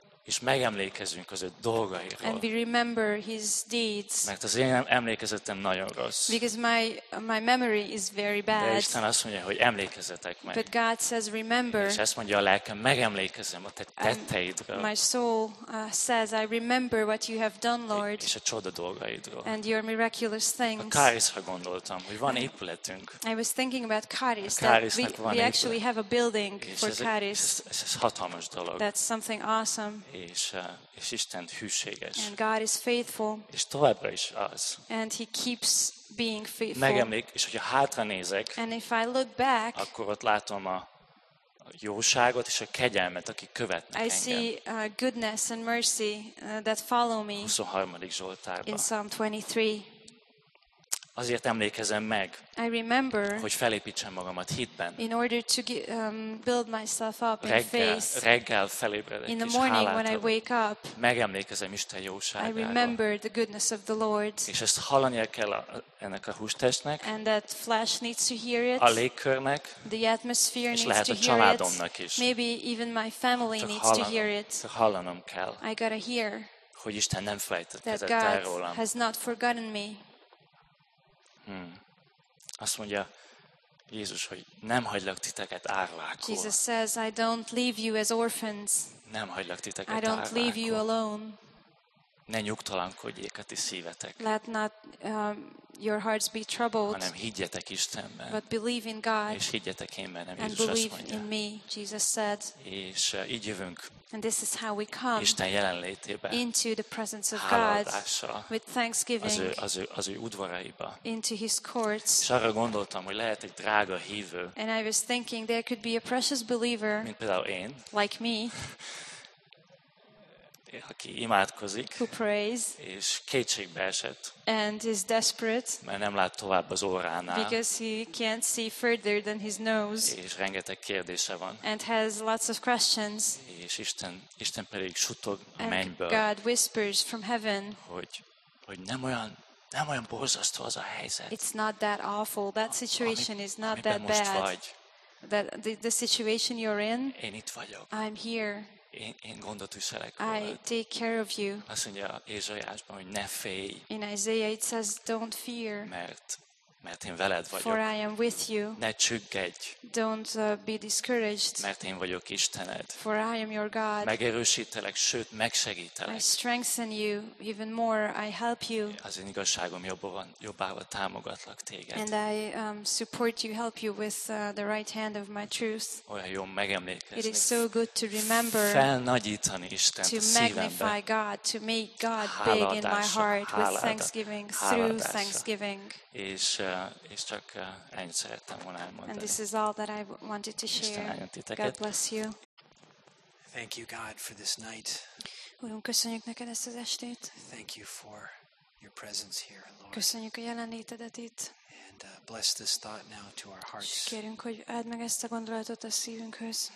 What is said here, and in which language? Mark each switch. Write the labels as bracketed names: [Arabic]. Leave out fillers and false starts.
[Hungarian] És megemlékezünk az ő dolgairól. [English] And we remember his deeds. [Hungarian] Mert az én emlékezetem nagyon rossz. [English] Because my memory is very bad. [Hungarian] De Isten azt mondja, hogy emlékezzetek meg. [English] But God says remember. [Hungarian] És azt mondja a lelkem, megemlékezem a te tetteidről. [English] My soul says I remember what you have done, Lord. [Hungarian] És a csoda dolgaidról. [English] And your miraculous things. [Hungarian] A Kárisra gondoltam, hogy van épületünk. [English] I was thinking about Karis, that we actually have a building for Karis. [Hungarian] Ez hatalmas dolog. [English] That's something awesome. [Hungarian] És Isten hűséges. [English] And God is faithful. [Hungarian] És továbbra is az. [English] And he keeps being faithful. [Hungarian] Megemlék, és hogyha hátra nézek, [English] and if I look back, [Hungarian] akkor ott látom a jóságot és a kegyelmet, akik követnek engem. [English] I see goodness and mercy that follow me. [Hungarian] 23. Zsoltárban. [English] In Psalm 23. [Hungarian] Azért emlékezem meg. [English] I remember. [Hungarian] Hogy felépítsem magamat hitben. [English] In order to build myself up in faith. [Hungarian] Reggel felébredek. [English] In the morning when I wake up. [Hungarian] Megemlékezem Isten jóságáról. [English] I remember the goodness of the Lord. [Hungarian] És ezt hallania kell ennek a hústestnek. [English] And that flesh needs to hear it. [Hungarian] A légkörnek. [English] The atmosphere needs to hear it. [Hungarian] És lehet a családomnak is. [English] Maybe even my family needs to hear it. [Hungarian] Csak hallanom kell. [English] I gotta hear. [Hungarian] Hogy Isten nem felejtett el rólam. [English] Has not forgotten me. [Hungarian] Azt mondja Jézus, hogy nem hagylak titeket árvákul. [English] Jesus says, I don't leave you as orphans. [Hungarian] Nem hagylak titeket árvákul. [English] I don't [Hungarian] árvákul. [English] Leave you alone. [Hungarian] Ne nyugtalankodjék a ti szívetek. [English] Let not your hearts be troubled, [Hungarian] hanem higgyetek Istenben, [English] but believe in God, [Hungarian] és higgyetek én bennem, [English] and believe in me, Jesus said. [Hungarian] És így jövünk. [English] And this is how we come [Hungarian] Isten jelenlétébe, [English] into the presence of God with thanksgiving, [Hungarian] az ő udvaraiba, [English] into his courts. [Hungarian] És arra gondoltam, hogy lehet egy drága hívő, [English] and I was thinking there could be a precious believer, [Hungarian] mint például én, [English] like me, [Hungarian] aki imádkozik, [English] who prays, [Hungarian] és kétségbe esett, [English] and is desperate, [Hungarian] mert nem lát tovább az óránál, [English] because he can't see further than his nose, [Hungarian] és rengeteg kérdése van, [English] and has lots of questions, [Hungarian] és Isten pedig suttog a mennyből, [English] God whispers from heaven, [Hungarian] hogy nem olyan borzasztó az a helyzet, [English] it's not that awful, that situation is not that bad, that the situation you're in, [Hungarian] én itt vagyok, [English] I'm here. [Hungarian] Én gondot viselek. [English] I take care of you. [Hungarian] Azt mondja Ézsaiásban, hogy ne félj. [English] In Isaiah it says, don't fear. [Hungarian] Mert én veled vagyok. [English] For I am with you. [Hungarian] Ne csüggedj. [English] Don't be discouraged. [Hungarian] Mert én vagyok Istened. [English] For I am your God. [Hungarian] Megerősítelek, sőt megsegítelek. [English] I strengthen you even more. I help you. [Hungarian] Az én igazságom jobbá támogatlak téged. [English] And I support you, help you with the right hand of my truth. [Hungarian] Olyan jó megemlékezni. [English] It is so good to remember. [Hungarian] Felnagyítani Istent a szívemben. [English] To magnify God, to make God big in my heart with thanksgiving, through thanksgiving. [Hungarian] És csak ennyit szerettem volna elmondani. [English] And this is all that I wanted to share. God bless you. Thank you, God, for this night. [Hungarian] Uram, köszönjük neked ezt az estét. [English] Thank you for your presence here, Lord. [Hungarian] Köszönjük a jelenlétedet itt. [English] And bless this thought now to our hearts. [Hungarian] És kérünk, hogy add meg ezt a gondolatot a szívünkhöz.